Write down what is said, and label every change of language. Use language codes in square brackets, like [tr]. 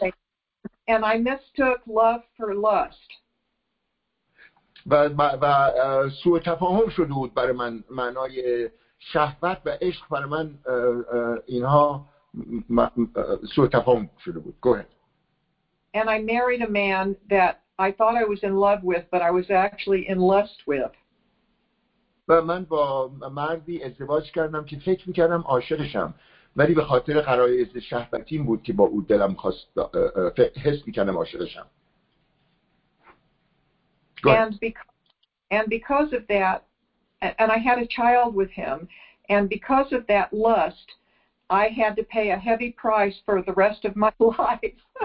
[en] Yeah. Okay. And I mistook love for lust. [fa] و سوء تفاهم شده بود برای من، معنای شهوت و عشق برای من اینها سوء تفاهم شده بود. [en] Go ahead. And I married a man that I thought I was in love with, but I was actually in lust with. [fa] و من با مردی ازدواج کردم که فکر میکردم عاشقشم، ولی به خاطر غرایز شهوتیم بود که با او دلم خواست، حس میکردم عاشقشم. [en] And because of that, and I had a child with him, and because of that lust, I had to pay a heavy price for the rest of my life.